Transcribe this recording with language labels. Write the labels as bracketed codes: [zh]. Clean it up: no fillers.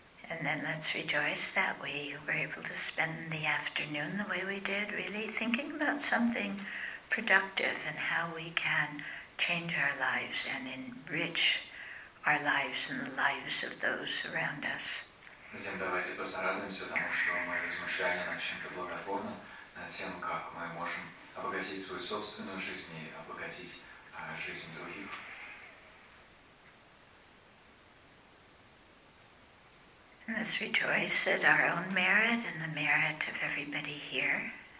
[en] And then let's rejoice that we were able to spend the afternoon the way we did, really thinking about something productive and how we can change our lives and enrich our lives and the lives of those around us. [ru] Затем давайте постараемся, потому что мы размышляли над чем-то благотворным, над тем, как мы можем обогатить свою собственную жизнь и обогатить жизнь других. [en] Let's rejoice at our own merit and the merit of everybody here.